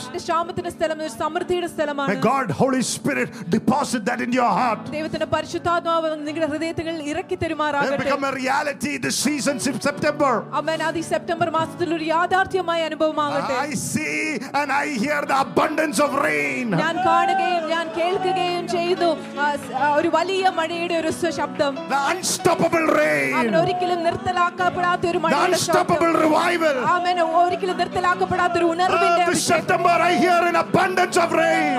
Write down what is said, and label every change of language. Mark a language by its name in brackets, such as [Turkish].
[Malayalam] എന്റെ ശാമത്തിന്റെ സ്ഥലം ഒരു സമൃദ്ധിയുടെ സ്ഥലമാണ്. [English] May God Holy Spirit deposit that in your heart. [Malayalam] ദൈവത്തിന്റെ പരിശുദ്ധാത്മാവ് നിങ്ങളുടെ ഹൃദയത്തിൽ ഇറക്കി തരുമാറാകട്ടെ. [English] It become a reality this season in September. [Malayalam] അമേൻ ആ സെപ്റ്റംബർ മാസത്തിൽ ഒരു യാഥാർത്ഥ്യമായ അനുഭവമാകട്ടെ. [English] I see and I hear the abundance of rain. [Malayalam] ഞാൻ കാണുകയും ഞാൻ കേൾക്കുകയും ചെയ്യുന്നു ഒരു വലിയ മഴയുടെ ഒരു ശബ്ദം. [English] The unstoppable rain. [Malayalam] അമേൻ ഒരിക്കലും നിർത്തലാക്കപ്പെടാത്ത ഒരു മഴയുടെ ശബ്ദം. [English] Unstoppable revival. [Malayalam] അമേൻ ഒരിക്കലും നിർത്തലാക്കപ്പെടാത്ത ഒരു ഉണർവിന്റെ [English] അഭിഷേകം September I hear in abundance of rain